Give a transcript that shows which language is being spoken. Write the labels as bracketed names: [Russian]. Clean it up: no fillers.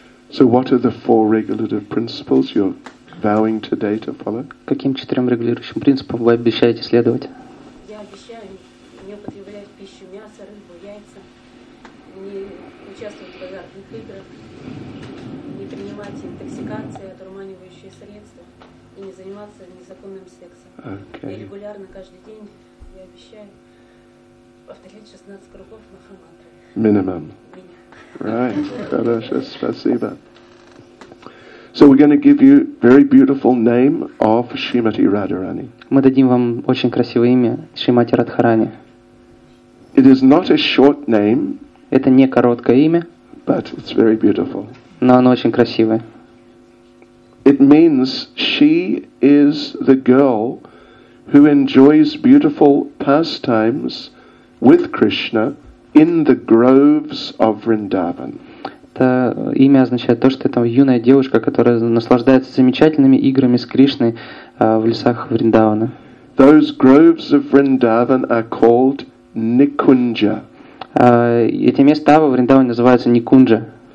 [English] So what are the four regulative principles you're vowing today to follow? [Russian] Каким четырем регулирующим принципам вы обещаете следовать? Я обещаю пищу мясо, рыбу, яйца, не участвовать в азартных играх, не принимать интоксикации, одурманивающие средства и не заниматься незаконным сексом. [English] Okay. [Russian] И регулярно каждый день, я обещаю, повторять 16 кругов Махамантры. Минимум. Right. Спасибо. [English] So we're going to give you very beautiful name of Srimati Radharani. [Russian] Мы дадим вам очень красивое имя Шримати Радхарани. [English] It is not a short name. [Russian] Это не короткое имя. [English] But it's very beautiful. [Russian] Но оно очень красивое. [English] It means she is the girl who enjoys beautiful pastimes with Krishna in the groves of Vrindavan. [Russian] Это имя означает то, что это юная девушка, которая наслаждается замечательными играми с Кришной в лесах Вриндавана. [English] Those groves of Vrindavan are called Nikunja. [Russian] Эти места во Вриндаване называются Никунджа.